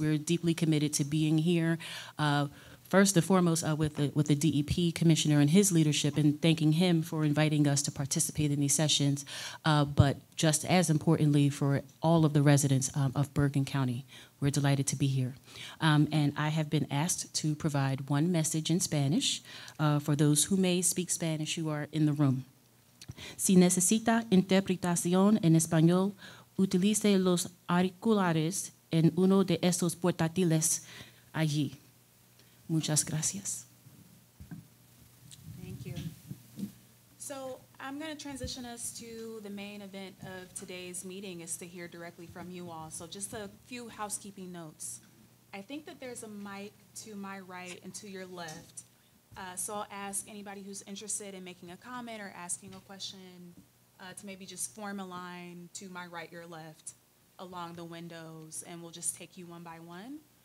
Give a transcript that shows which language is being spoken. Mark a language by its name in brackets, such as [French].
[English] We're deeply committed to being here. First and foremost, with the DEP commissioner and his leadership, and thanking him for inviting us to participate in these sessions, but just as importantly for all of the residents of Bergen County. We're delighted to be here. And I have been asked to provide one message in Spanish for those who may speak Spanish who are in the room. [Spanish] Si necesita interpretación en español, utilice los auriculares en uno de esos portátiles allí. Muchas gracias. [English] Thank you. So I'm going to transition us to the main event of today's meeting is to hear directly from you all. So just a few housekeeping notes. I think that there's a mic to my right and to your left. So I'll ask anybody who's interested in making a comment or asking a question to maybe just form a line to my right, your left, along the windows, and we'll just take you one by one.